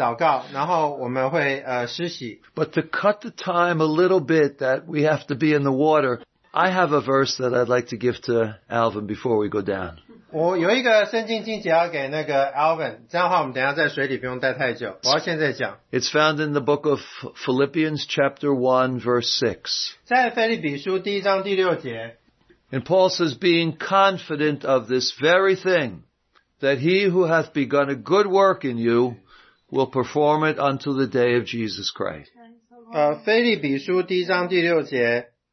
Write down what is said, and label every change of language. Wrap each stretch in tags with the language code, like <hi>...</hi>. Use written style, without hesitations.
<zh>然后我们大家会同心合一的为Alvin祷告，然后我们会施洗。</zh> <en>But to cut the time a little bit that we have to be in the water, I have a verse that I'd like to give to Alvin before we go down.</en> <zh>我有一个圣经经节要给那个Alvin，这样的话我们等一下在水里不用待太久，我要现在讲。</zh> <en>It's found in the book of Philippians chapter 1 verse 6.</en> <zh>在腓立比书第一章第六节。</zh> <en>And Paul says, being confident of this very thing, that he who hath begun a good work in you will perform it until the day of Jesus Christ.</en> <zh>腓立比书第一章第六节。</zh>